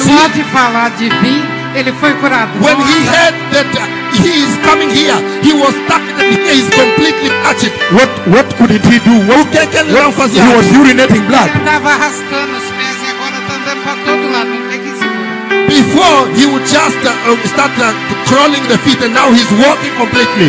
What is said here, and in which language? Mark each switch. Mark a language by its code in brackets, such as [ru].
[pt] só de falar de vir, ele foi curado. [en] When he heard that he is coming here, he was stuck. He is completely touched. What could he do? What he was urinating blood. [pt] Ele estava arrastando os pés e agora está andando para todo lado. [en] Before he would just start crawling the feet, and now he's walking completely.